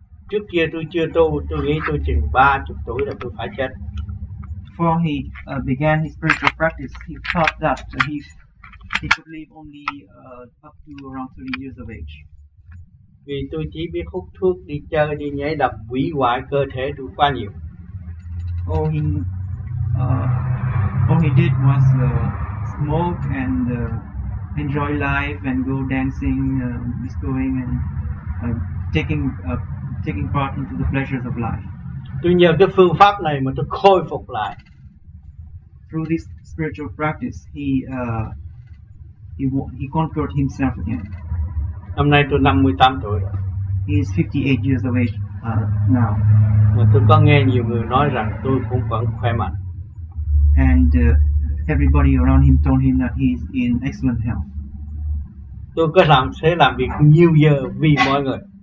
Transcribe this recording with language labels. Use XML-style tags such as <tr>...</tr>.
<vi>Trước kia tôi chưa tu, tôi nghĩ tôi chừng 30 tuổi là tôi phải chết.</vi> <en>Before he began his spiritual practice, he thought that he could live only up to around 30 years of age.</en> <vi>Vì tôi chỉ biết hút thuốc, đi chơi, đi nhảy đập, hủy hoại cơ thể tôi quá nhiều.</vi> <en>All he did was smoke and enjoy life and go dancing, discoing and taking part into the pleasures of life.</en> <vi>Tôi nhờ cái phương pháp này mà tôi khôi phục lại.</vi> <en>Through this spiritual practice, he conquered himself again.</en> <vi>Năm nay tôi 58 tuổi rồi.</vi> <en>He is 58 years of age now.</en> <vi>Mà tôi có nghe nhiều người nói rằng tôi cũng vẫn khỏe mạnh.</vi> <en>And everybody around him told him that he is in excellent health.</en> <vi>Tôi có làm thế làm việc nhiều giờ vì mọi người.</vi>